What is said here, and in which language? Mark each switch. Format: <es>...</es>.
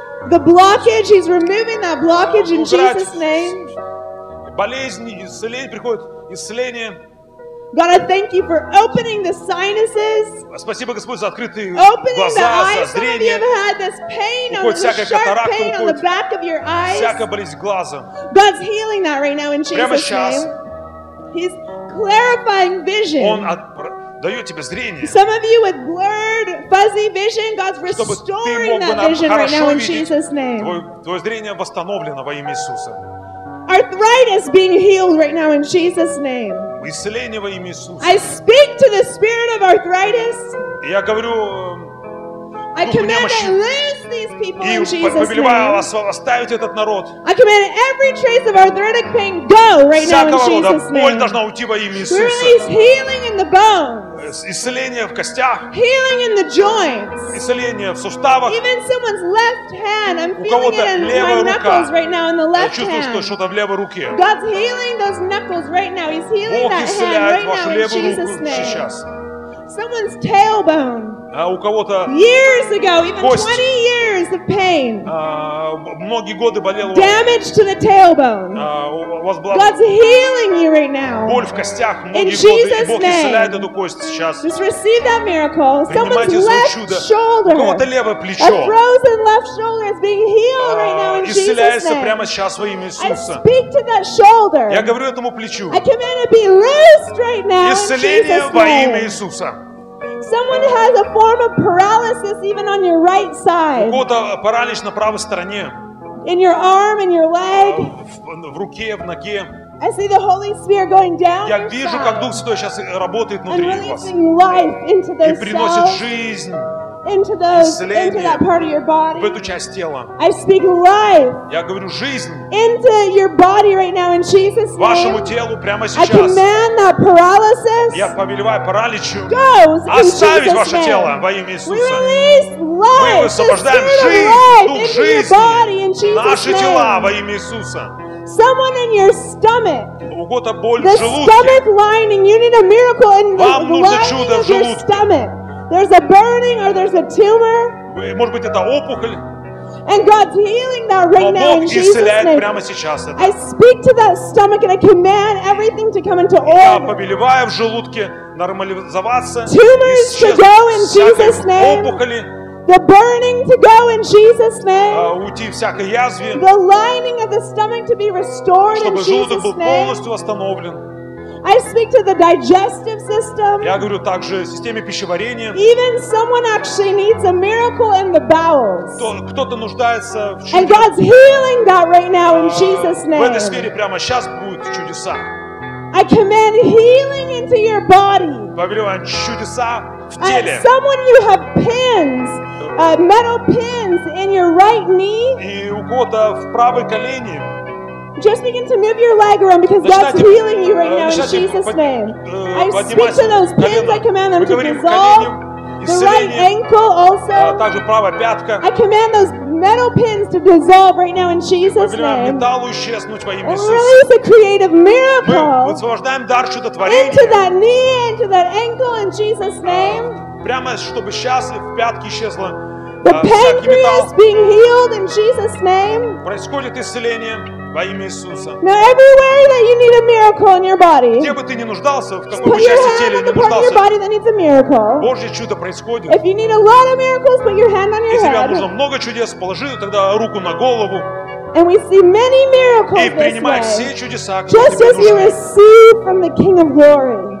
<en>The blockage, he's removing that blockage in Jesus' name.</en> <ru>Болезни, исцеление приходит, исцеление.</ru> <en>God, I thank you for opening the sinuses.</en> <ru>Спасибо, Господь, за открытые</ru> <en>opening</en> <ru>глаза,</ru> <en>the eyes.</en> <ru>За зрение.</ru> <en>Some of you have had this pain</en> <ru>уходит</ru> <en>on the sharp</en> <ru>катаракта,</ru> <en>pain on the back of your eyes.</en> <ru>Всякая болезнь глаза.</ru> <en>God's healing that right now in Jesus'</en> <ru>Прямо сейчас.</ru> <en>Name. He's clarifying vision.</en> <ru>Он дает тебе зрение.</ru> <en>Some of you with blurred, fuzzy vision, God's restoring that vision right now in Jesus' name.</en> <ru>Твое зрение восстановлено во имя Иисуса.</ru> <en>Arthritis being healed right now in Jesus' name.</en> <ru>Исцеление во имя Иисуса.</ru> <en>I speak to the spirit of arthritis.</en> <ru>Я говорю,</ru> <en>I command to loose these people in Jesus' name.</en> <ru>И повелеваю вас оставить этот народ.</ru> <en>I command every trace of arthritic pain go right now in Jesus' name.</en> <ru>Всякого рода боль должна уйти во имя Иисуса.</ru> <en>Release healing in the bones.</en> <ru>Исцеление в костях.</ru> <en>Healing in the joints.</en> <ru>Исцеление в суставах.</ru> <en>Even someone's left hand. I'm feeling it in my knuckles right now in the left hand.</en> <ru>Я чувствую, что что-то в левой руке.</ru> <en>God's healing those knuckles right now. He's healing that hand right now in Jesus' name. Someone's tailbone.</en> <ru>У кого-то</ru> <en>years ago, even 20 years of pain.</en> <ru>Многие годы болело.</ru> <en>Damage to the tailbone.</en> <ru>Вас была</ru> <en>God's healing you right now.</en> <ru>Боль в костях.</ru> <en>In Jesus' name. Just receive that miracle. Someone's left shoulder.</en> <ru>У кого-то левое плечо.</ru> <en>A frozen left shoulder is being healed right now in Jesus' name.</en> <ru>Исцеляется прямо сейчас во имя Иисуса.</ru> <en>I speak to that shoulder.</en> <ru>Я говорю этому плечу.</ru> <en>I command it be loosed right now.</en> <ru>Исцеление во имя Иисуса.</ru> <en>Someone has a form of paralysis even on your right side.</en> <ru>Кто-то паралич на правой стороне.</ru> <en>In your arm, in your leg.</en> <ru>В руке, в ноге.</ru> <en>I see the Holy Spirit going down.</en> <ru>Я вижу, как Дух Святой сейчас работает внутри вас.</ru> <en>And releasing life into their self.</en> <ru>И приносит жизнь.</ru> <en>Into those, into that part of your body.</en> <ru>В эту часть тела.</ru> <en>I speak life.</en> <ru>Я говорю жизнь.</ru> <en>Into your body right now in Jesus' name.</en> <ru>Вашему телу прямо сейчас.</ru> <en>I command that paralysis.</en> <ru>Я повелеваю параличу.</ru> <en>Goes in Jesus' name.</en> <ru>Оставить ваше тело во имя Иисуса.</ru> <en>We release life.</en> <ru>Мы высвобождаем жизнь, дух жизни. Наши тела во имя Иисуса.</ru> <en>Someone in your stomach.</en> <ru>У кого-то боль</ru> <en>the</en> <ru>в желудке.</ru> <en>The stomach lining. You need a miracle in the lining of your stomach. There's a burning or there's a tumor.</en> <ru>Может быть, это опухоль.</ru> <en>And God's healing that right now in Jesus' name. I speak to that stomach and I command everything to come into order.</en> <ru>Я повелеваю в желудке нормализоваться.</ru> <en>Tumors to go in Jesus' name. The burning to go in Jesus' name.</en> <ru>Уйти всякой язве.</ru> <en>The lining of the stomach to be restored in Jesus' name.</en> <ru>Чтобы желудок был полностью восстановлен.</ru> <en>I speak to the digestive system.</en> <ru>Я говорю также о системе пищеварения.</ru> <en>Even someone actually needs a miracle in the bowels.</en> <ru>Кто-то нуждается в чудесах.</ru> <en>And God's healing that right now in Jesus' name.</en> <ru>В этой сфере прямо сейчас будут чудеса.</ru> <en>I command healing into your body.</en> <ru>Повелеваем чудеса в теле.</ru> <en>And someone you have pins, metal pins in your right knee.</en> <ru>И у кого-то в правой колене.</ru> <en>Just begin to move your leg around because God's healing you right now in Jesus' name. I speak to those pins, I command them to dissolve. The right ankle also. I command those metal pins to dissolve right now in Jesus' name. And release a creative miracle into that knee, into that ankle in Jesus' name.</en> <ru>Прямо чтобы сейчас в пятке исчезло.</ru> <en>The pancreas being healed in Jesus' name.</en> <ru>Происходит исцеление.</ru> <en>Now everywhere that you need a miracle in your body, put your hand on the part of your body that needs a miracle.</en> <ru>Божье чудо происходит.</ru> <en>If you need a lot of miracles, put your hand on your head.</en> <ru>Если тебе нужно много чудес, положи тогда руку на голову.</ru> <en>And we see many miracles this</en> <ru>way. И принимай все чудеса, которые</ru> <en>just as you receive from the King of Glory.</en>